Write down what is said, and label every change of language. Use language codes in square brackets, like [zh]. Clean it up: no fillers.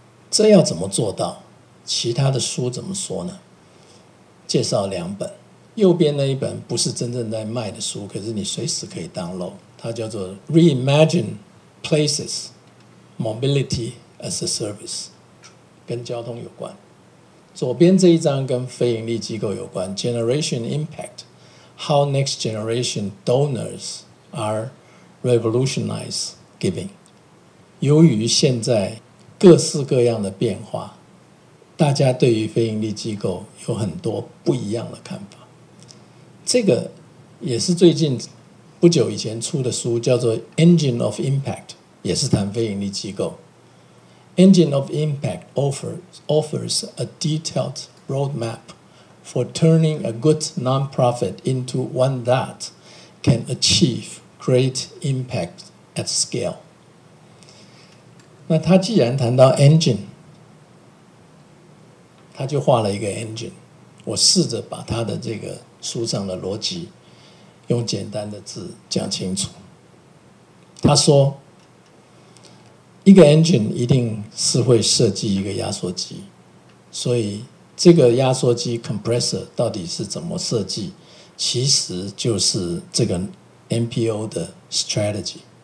[zh] 这要怎么做到？其他的书怎么说呢？介绍两本，右边那一本不是真正在卖的书，可是你随时可以 download， 它叫做 Reimagine Places Mobility as a Service， 跟交通有关。左边这一张跟非营利机构有关 ，Generation Impact， How Next Generation Donors Are Revolutionized Giving。由于现在各式各样的变化，大家对于非营利机构有很多不一样的看法。这个也是最近不久以前出的书，叫做《Engine of Impact》，也是谈非营利机构。 [en] Engine of Impact offers a detailed roadmap for turning a good nonprofit into one that can achieve great impact at scale。 [zh] 那他既然谈到 engine， 他就画了一个 engine。我试着把他的这个书上的逻辑用简单的字讲清楚。他说，一个 engine 一定是会设计一个压缩机，所以这个压缩机 compressor 到底是怎么设计，其实就是这个 NPO 的 strategy。